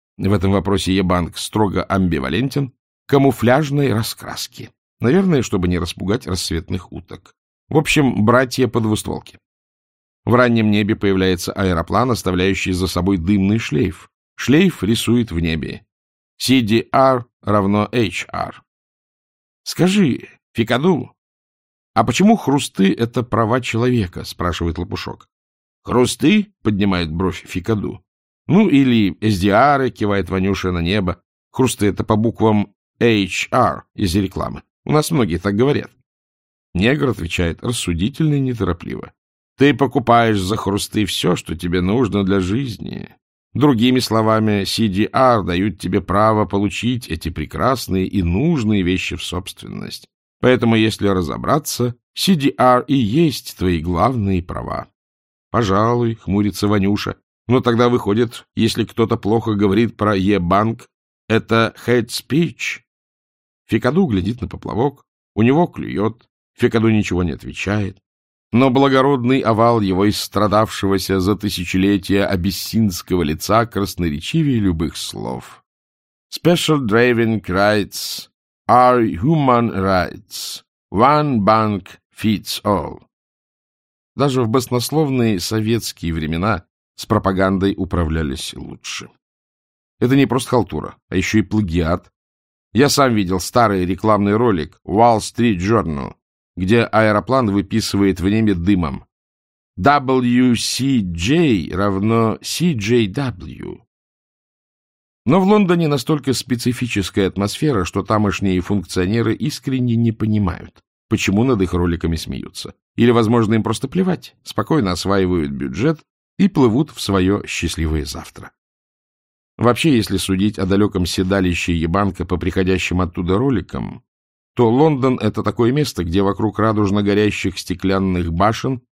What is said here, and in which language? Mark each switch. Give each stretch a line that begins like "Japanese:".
Russian: В этом вопросе Е-банк строго амбивалентен. Камуфляжной раскраски. Наверное, чтобы не распугать рассветных уток. В общем, братья по двустволке. В раннем небе появляется аэроплан, оставляющий за собой дымный шлейф. Шлейф рисует в небе. CDR равно HR. Скажи, Фикаду, а почему хрусты — это права человека? — спрашивает лопушок. Хрусты? — поднимает бровь Фикаду. Ну, или SDR, — кивает Ванюша на небо. Хрусты — это по буквам HR из рекламы. У нас многие так говорят. Негр отвечает рассудительно и неторопливо. Ты покупаешь за хрусты все, что тебе нужно для жизни. Другими словами, CDR дают тебе право получить эти прекрасные и нужные вещи в собственность. Поэтому, если разобраться, CDR и есть твои главные права. Пожалуй, хмурится Ванюша. Но тогда выходит, если кто-то плохо говорит про Е-банк, это
English: hate speech.
Russian: Фикаду глядит на поплавок. У него клюет. Фикаду ничего не отвечает. Но благородный овал его истрадавшегося за тысячелетия абиссинского лица красноречивее любых слов.
English: Special driving rights are human rights. One bank fits all.
Russian: Даже в баснословные советские времена с пропагандой управлялись лучше. Это не просто халтура, а еще и плагиат. Я сам видел старый рекламный ролик Wall Street Journal, где аэроплан выписывает в небе дымом. WCJ равно CJW. Но в Лондоне настолько специфическая атмосфера, что тамошние функционеры искренне не понимают, почему над их роликами смеются. Или, возможно, им просто плевать, спокойно осваивают бюджет и плывут в свое счастливое завтра. Вообще, если судить о далеком седалище Е-банка по приходящим оттуда роликам, то Лондон — это такое место, где вокруг радужно-горящих стеклянных башен